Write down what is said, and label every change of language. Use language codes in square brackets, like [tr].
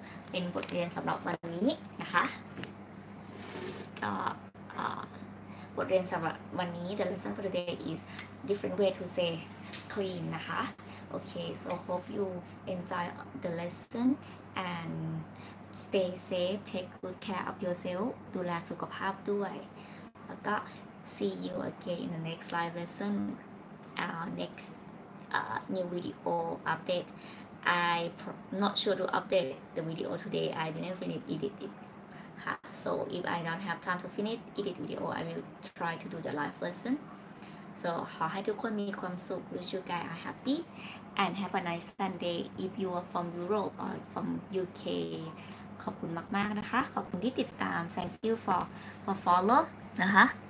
[th] เป็นบทเรียนสำหรับวันนี้นะคะก็บทเรียนสำหรับวันนี้ [en] the lesson for today is different way to sayClean, นะคะ Okay, so hope you enjoy the lesson and stay safe. Take good care of yourself. [th] ดูแลสุขภาพด้วยแล้วก็ [en] see you again in the next live lesson. Next new video update. I'm not sure to update the video today. I didn't finish edit it. So if I don't have time to finish edit video, I will try to do the live lesson. So [th] ขอให้ทุกคนมีความสุข [en] wish you guys are happy and have a nice Sunday if you are from Europe or from UK [th] ขอบคุณมากๆนะคะขอบคุณที่ติดตาม [en] thank you for follow นะคะ